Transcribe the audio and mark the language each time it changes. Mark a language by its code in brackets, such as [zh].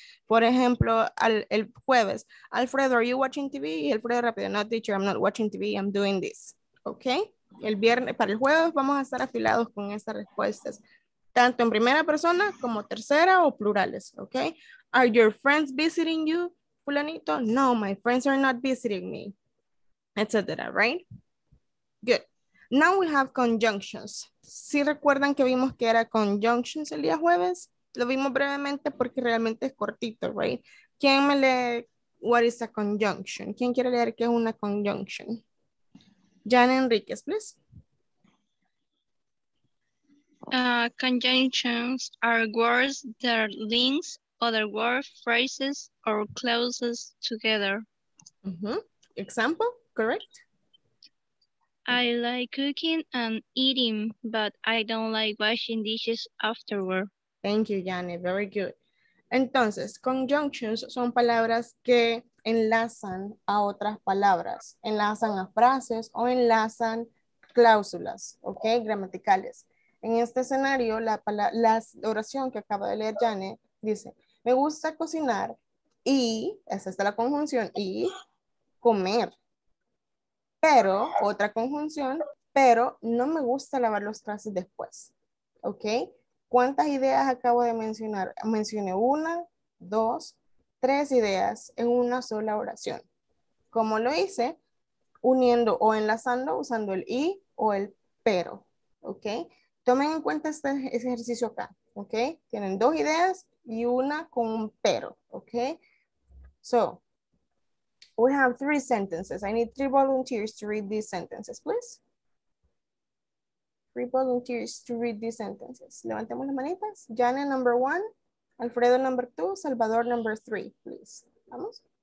[es] Por ejemplo, el jueves, Alfredo, [en] are you watching TV? [es] Y Alfredo rápido, [en] no, teacher, I'm not watching TV, I'm doing this, ¿ok? [es] El viernes, para el jueves vamos a estar afilados con estas respuestas, tanto en primera persona como tercera o plurales, ¿ok? [en] Are your friends visiting you, fulanito? No, my friends are not visiting me, etc., right? Good. Now we have conjunctions. [es] ¿Sí recuerdan que vimos que era conjunctions el día jueves? Lo vimos brevemente porque realmente es cortito, right? ¿Quién me lee [en] what is a conjunction? [es] ¿Quién quiere leer qué es una conjunction? Jan Enríquez, please. [en] Conjunctions are words that link other words, phrases, or clauses together. Mm-hmm. Example, correct? I like cooking and eating, but I don't like washing dishes afterward. Thank you, Yane. Very good. [es] Entonces, conjunctions son palabras que enlazan a otras palabras, enlazan a frases o enlazan cláusulas, ¿ok? Gramaticales. En este escenario, la oración que acaba de leer Yane dice, me gusta cocinar y, esa está la conjunción, y comer. Pero, otra conjunción, pero no me gusta lavar los trastes después, ¿ok? ¿Cuántas ideas acabo de mencionar? Mencioné una, dos, tres ideas en una sola oración. ¿Cómo lo hice? Uniendo o enlazando, usando el y o el pero, ¿ok? Tomen en cuenta este ejercicio acá, ¿ok? Tienen dos ideas y una con un pero, ¿ok? [en] So, we have three sentences. I need three volunteers to read these sentences, please. Three volunteers to read these sentences. [es] Levantemos las manitas. [en] Jane, number one. Alfredo, number two. Salvador, number three, please. Vamos.